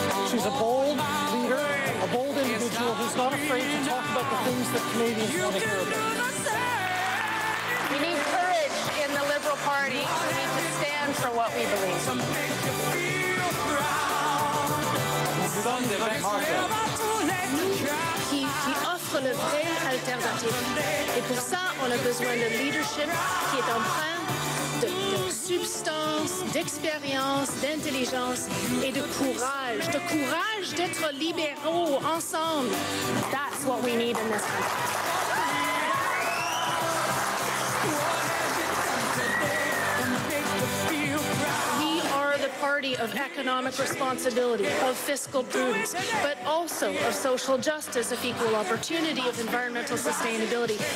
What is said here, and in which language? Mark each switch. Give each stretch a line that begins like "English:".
English: She's a bold leader, a bold individual who's not afraid to talk about the things that Canadians want to hear about. We need courage in the Liberal Party. We need to stand for what we believe.
French: Qui offre le vrai alternatif. Et pour ça, on a besoin de leadership qui est empreint de substance, d'expérience, d'intelligence et de courage. De courage d'être libéraux ensemble.
English: That's what we need in this country. Party of economic responsibility, of fiscal prudence, but also of social justice, of equal opportunity, of environmental sustainability.